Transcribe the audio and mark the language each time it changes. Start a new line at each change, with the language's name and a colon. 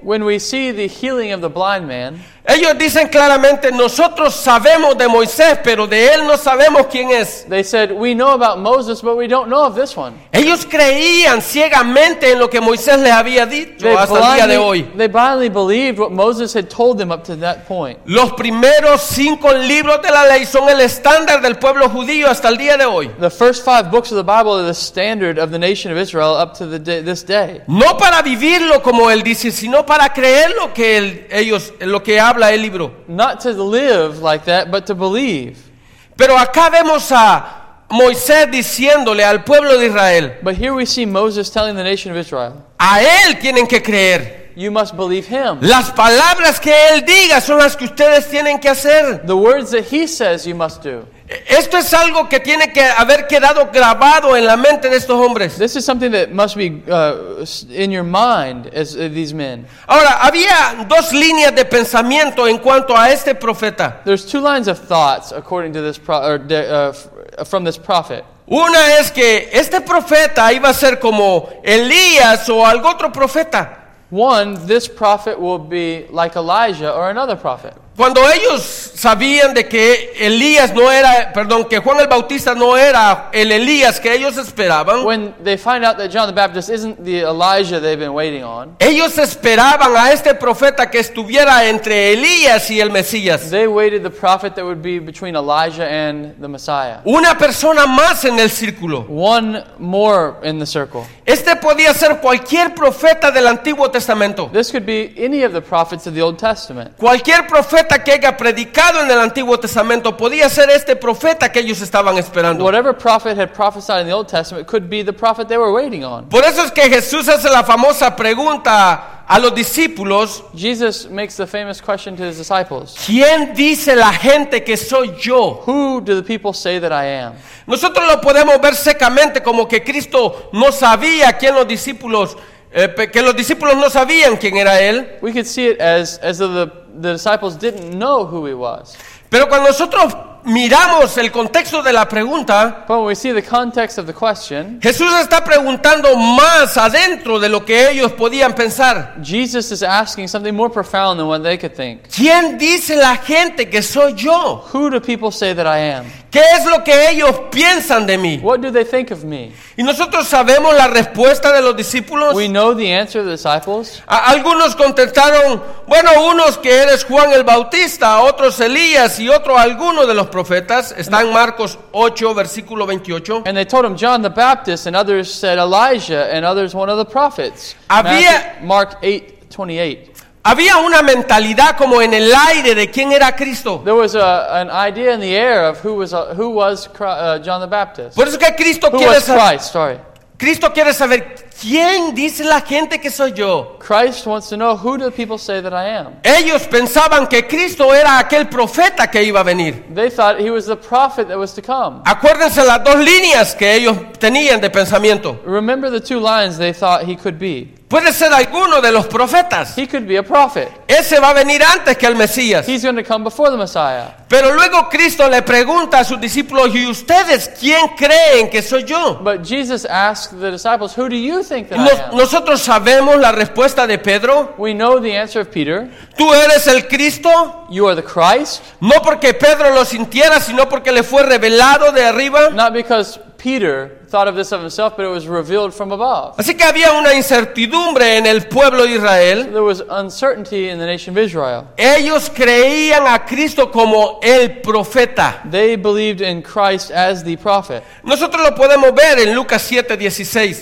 English: when we see the healing of the blind man,
Spanish: ellos dicen claramente, nosotros sabemos de Moisés, pero de él no sabemos quién es.
English: They said, we know about Moses, but we don't know of this one.
Spanish: Ellos creían ciegamente en lo que Moisés les había dicho hasta el día de hoy.
English: They blindly believed what Moses had told them up to that point.
Spanish: Los primeros 5 libros de la ley son el estándar del pueblo judío hasta el día de hoy.
English: The first 5 books of the Bible are the standard of the nation of Israel up to this day.
Spanish: No para vivirlo como él dice, sino para creer lo que habla el libro.
English: Not to live like that, but to believe.
Spanish: Pero acá vemos a Moisés diciéndole al pueblo de Israel.
English: But here we see Moses telling the nation of Israel.
Spanish: A él tienen que creer.
English: You must believe him.
Spanish: Las palabras que él diga son las que ustedes tienen que hacer.
English: The words that he says you must do.
Spanish: Esto es algo que tiene que haber quedado grabado en la mente de estos hombres.
English: This is something that must be in your mind as these men.
Spanish: Ahora, había dos líneas de pensamiento en cuanto a este profeta.
English: There's 2 lines of thoughts according to this from this prophet.
Spanish: Una es que este profeta iba a ser como Elías o algún otro profeta.
English: One, this prophet will be like Elijah or another prophet.
Spanish: Cuando ellos sabían de que Elías no era, perdón, que Juan el Bautista no era el Elías que ellos esperaban.
English: When they find out that John the Baptist isn't the Elijah they've been waiting on.
Spanish: Ellos esperaban a este profeta que estuviera entre Elías y el Mesías.
English: They waited the prophet that would be between Elijah and the Messiah.
Spanish: Una persona más en el círculo.
English: One more in the circle.
Spanish: Este podía ser cualquier profeta del Antiguo Testamento.
English: This could be any of the prophets of the Old Testament.
Spanish: Cualquier profeta que haya predicado en el Antiguo Testamento podía ser este profeta que ellos estaban esperando.
English: Whatever prophet had prophesied in the Old Testament could be the prophet they were waiting on.
Spanish: Por eso es que Jesús hace la famosa pregunta a los discípulos.
English: Jesus makes the famous question to his disciples.
Spanish: ¿Quién dice la gente que soy yo?
English: Who do the people say that I am?
Spanish: Nosotros lo podemos ver secamente como que Cristo no sabía quién los discípulos que los discípulos no sabían quién era él.
English: We could see it as though the disciples didn't know who he was.
Spanish: Pero cuando nosotros miramos el contexto de la pregunta,
English: but when we see the context of the question,
Spanish: Jesús está preguntando más adentro de lo que ellos podían pensar.
English: Jesus is asking something more profound than what they could think.
Spanish: ¿Quién dice la gente que soy yo?
English: Who do people say that I am?
Spanish: ¿Qué es lo que ellos piensan de mí?
English: What do they think of me?
Spanish: Y nosotros sabemos la respuesta de los discípulos.
English: We know the answer of the disciples.
Spanish: Algunos contestaron, bueno, unos que eres Juan el Bautista, otros Elías y otro alguno de los profetas. Está en Marcos 8, versículo 28.
English: And they told him John the Baptist, and others said Elijah, and others one of the prophets. Mark 8, 28.
Spanish: Había una mentalidad como en el aire de quién era Cristo.
English: There was an idea in the air of who was John the Baptist.
Spanish: Por eso que Cristo
English: who
Spanish: quiere
English: was Christ, sorry.
Spanish: Cristo quiere saber quién dice la gente que soy yo.
English: Christ wants to know who do people say that I am.
Spanish: Ellos pensaban que Cristo era aquel profeta que iba a venir.
English: They thought he was the prophet that was to come.
Spanish: Acuérdense las dos líneas que ellos tenían de pensamiento.
English: Remember the 2 lines they thought he could be.
Spanish: Puede ser alguno de los profetas.
English: He could be a prophet.
Spanish: Ese va a venir antes que el Mesías.
English: He's going to come before the Messiah.
Spanish: Pero luego Cristo le pregunta a sus discípulos, ¿y ustedes quién creen que soy yo?
English: But Jesus asked the disciples, who do you think that I am?
Spanish: Nosotros sabemos la respuesta de Pedro.
English: We know the answer of Peter.
Spanish: Tú eres el Cristo.
English: You are the Christ.
Spanish: No porque Pedro lo sintiera, sino porque le fue revelado de arriba.
English: Not because Peter thought of this of himself, but it was revealed from above.
Spanish: Así que había una incertidumbre en el pueblo de Israel.
English: So there was uncertainty in the nation of Israel.
Spanish: Ellos creían a Cristo como el profeta.
English: They believed in Christ as the prophet.
Spanish: Nosotros lo podemos ver en Lucas 7:16.